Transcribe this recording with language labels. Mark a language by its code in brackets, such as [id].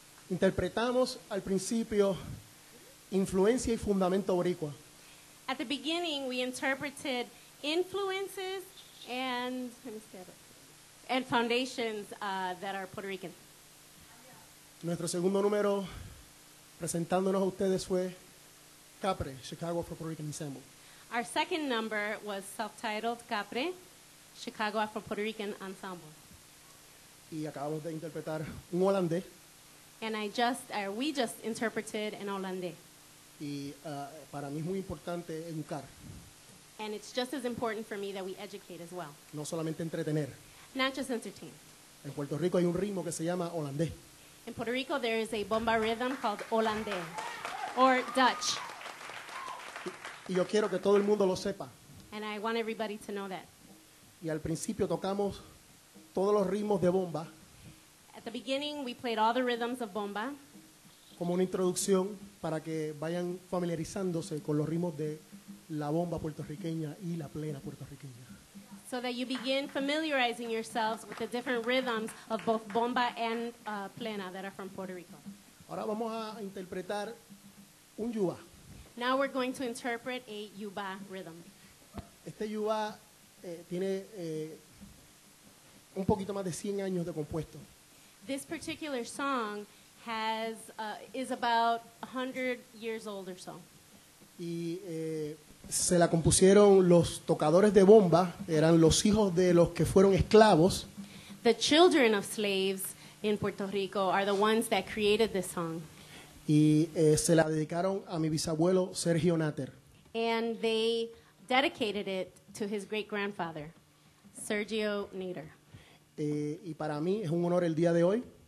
[es] Interpretamos al principio influencia y fundamento boricua. [en] At the beginning, we interpreted influences and foundations that are Puerto Rican. [es] Nuestro segundo número presentándonos a ustedes fue Capre, Chicago Afro Puerto Rican Ensemble. [en] Our second number was self-titled Capre, Chicago Afro Puerto Rican Ensemble. [es] Y acabamos de interpretar un holandés. [en] And we just interpreted an holandés. [es] Y para mí es muy importante educar. [en] And it's just as important for me that we educate as well. [es] No solamente entretener. [en] Not just entertain. [es] En Puerto Rico hay un ritmo que se llama holandés. [en] In Puerto Rico there is a bomba rhythm called holandés. Or Dutch. [es] Y yo quiero que todo el mundo lo sepa. [en] And I want everybody to know that. [es] Y al principio tocamos todos los ritmos de bomba. [en] At the beginning, we played all the rhythms of bomba. [es] Como una introducción para que vayan familiarizándose con los ritmos de la bomba puertorriqueña y la plena puertorriqueña. [en] So that you begin familiarizing yourselves with the different rhythms of both bomba and plena that are from Puerto Rico. [es] Ahora vamos a interpretar un yuba. [en] Now we're going to interpret a yuba rhythm. [es] Este yuba tiene un poquito más de 100 años de compuesto. [en] This particular song is about 100 years old or so. [es] Y se la compusieron los tocadores de bomba, eran los hijos de los que fueron esclavos. [en] The children of slaves in Puerto Rico are the ones that created this song. [es] Y se la dedicaron a mi bisabuelo Sergio Natter. [en] And they dedicated it to his great-grandfather, Sergio Natter. [es] Y para mí es un honor el día de hoy.